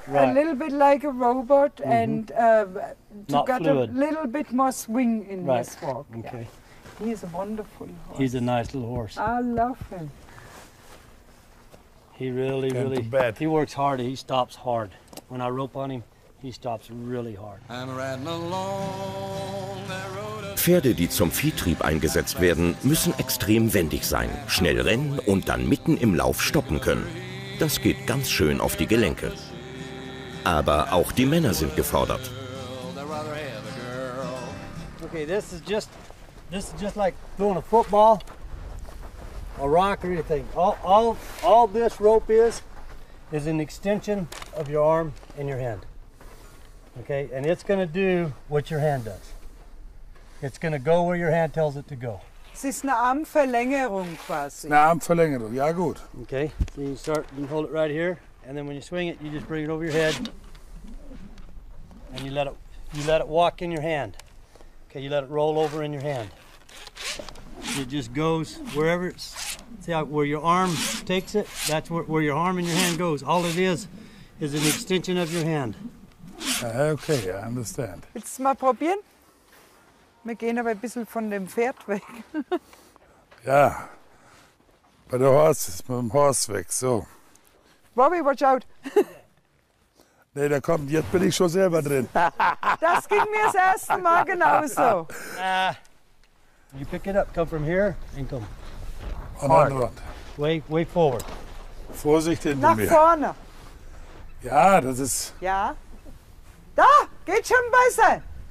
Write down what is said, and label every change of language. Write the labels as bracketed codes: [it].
[en] Right. A little bit like a robot and to get a little bit more swing in his walk. Okay. Yeah. He is a wonderful horse. He's a nice little horse. I love him. He really, really, he works hard, he stops hard. When I rope on him, he stops really hard. [de] Pferde, die zum Viehtrieb eingesetzt werden, müssen extrem wendig sein, schnell rennen und dann mitten im Lauf stoppen können. Das geht ganz schön auf die Gelenke. Aber auch die Männer sind gefordert. [en] Okay, this is just like throwing a football. A rock or anything. All this rope is an extension of your arm and your hand. Okay, and it's going to do what your hand does. It's going to go where your hand tells it to go. [de] Es ist eine Armverlängerung quasi. Eine Armverlängerung, ja gut. [en] Okay, so you start, you hold it right here, and then when you swing it, you just bring it over your head, and you let it walk in your hand. Okay, you let it roll over in your hand. It just goes wherever it's See how, where your arm takes it? That's where your arm and your hand goes. All it is an extension of your hand. Okay, I understand. [de] Willst du es mal probieren? Wir gehen aber ein bisschen von dem Pferd weg. Ja, bei der Horse ist mit dem Horse weg, so. [en] Bobby, watch out. [de] Nee, da kommt, jetzt bin ich schon selber drin. Das ging mir das erste Mal genauso. [en] You pick it up, come from here and come. On the other hand. Way, way forward. [de] Vorsicht hinter Nach mir. Nach vorne. Ja, das ist... Ja. Da, geht schon besser.